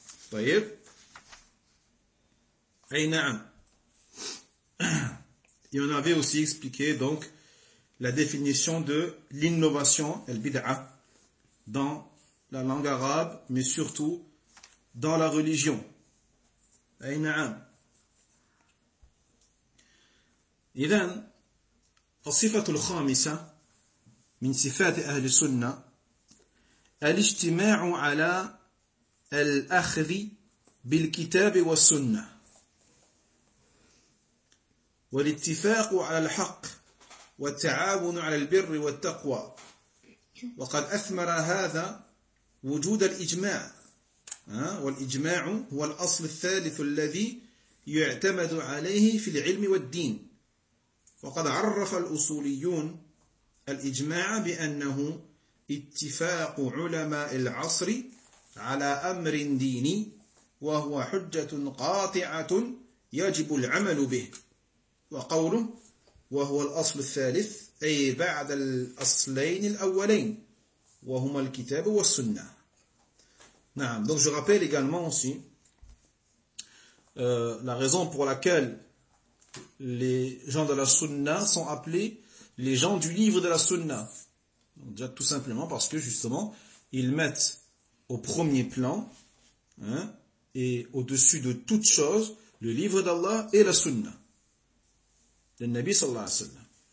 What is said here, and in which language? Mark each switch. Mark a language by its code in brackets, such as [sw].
[ar] طيب اي نعم [fr] et on avait aussi expliqué donc la définition de l'innovation el bid'a dans la langue arabe mais surtout dans la religion. [ar] اي نعم اذا الصفه الخامسه من صفات اهل السنه الاجتماع على الاخذ بالكتاب والسنه والاتفاق على الحق والتعاون على البر والتقوى وقد اثمر هذا وجود الاجماع والاجماع هو الاصل الثالث الذي يعتمد عليه في العلم والدين وقد عرف الاصوليون الاجماع بانه اتفاق علماء العصر على امر ديني وهو حجة قاطعة يجب العمل به وقوله وهو الأصل الثالث أي بعد الأصلين الأولين وهما الكتاب والسنة. نعم. [fr] Donc je rappelle également aussi la raison pour laquelle les gens de la Sunna sont appelés les gens du livre de la Sunna. Donc déjà tout simplement parce que justement ils mettent au premier plan, hein, et au-dessus de toute chose, le livre d'Allah et la sunna de Nabi sallallahu alayhi wa sallam.